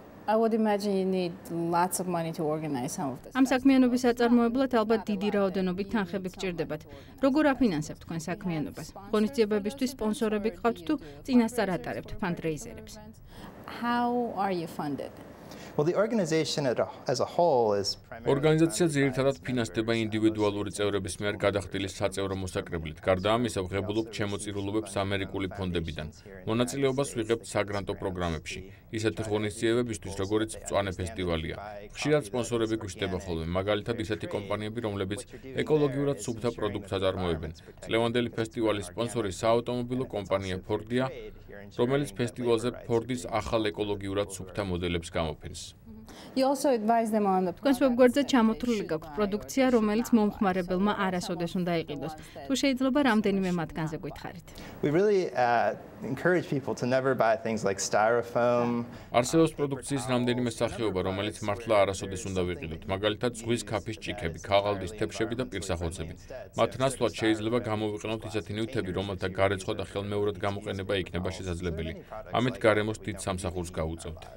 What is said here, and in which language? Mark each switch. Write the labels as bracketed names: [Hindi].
[English] I would imagine you need lots of money to organize some of this. [Georgian] Ამ საქმიანობის აწარმოებლად ალბათ დიდი რაოდენობით თანხები გჭირდებათ. როგორ აფინანსებთ თქვენ საქმიანობას? ღონისძიებებისთვის სპონსორები გყავთ თუ წინასწარ ატარებთ ფანდრეიზერებს? [English] How are you funded? Well, the organization as a whole is primarily [Georgian] ორგანიზაცია ძირითადად ფინანსდება ინდივიდუალური წევრების მიერ გადახდილი საწევრო მოსაკრებლით. გარდა ამისა, ვღებულობთ შემოწირულობებს ამერიკული ფონდებიდან. მონაწილეობას ვიღებთ საგრანტო პროგრამებში, ისეთ ღონისძიებებისთვის, როგორიც მწვანე ფესტივალია. ხშირად სპონსორები გვშტება ხოლმე, მაგალითად ისეთი კომპანიები, რომლებიც ეკოლოგიურად სუფთა პროდუქტს აწარმოებენ. წლევანდელი ფესტივალის სპონსორი საავტომობილო კომპანია ფორდია, რომელიც ფესტივალზე ფორდის ახალ ეკოლოგიურად სუფთა მოდელებს გამოფენს. [English] You also advise them on the [Georgian] კონსუმგორზე ჩამოთვლილი გაქვთ პროდუქცია, რომელიც მომხმარებელმა არასოდეს უნდა იყიდოს. თუ შეიძლება რამდენიმე მათგანზე გითხარით. [English] We really encourage people to never buy things like styrofoam. [Georgian] არსებობს პროდუქციის რამდენიმე სახეობა, რომელიც მართლა არასოდეს უნდა ვიყიდოთ, მაგალითად ზღვის ქაფის ჭიქები, ქაღალდის თეფშები და პირსახოცები. მათ ნაცვლად შეიძლება გამოვიყენოთ ისეთი ნივთები, რომელთა გარეცხვა და ხელმეორედ გამოყენება იქნება შესაძლებელი. ამით გარემოს დიდ სამსახურს გაუწევთ.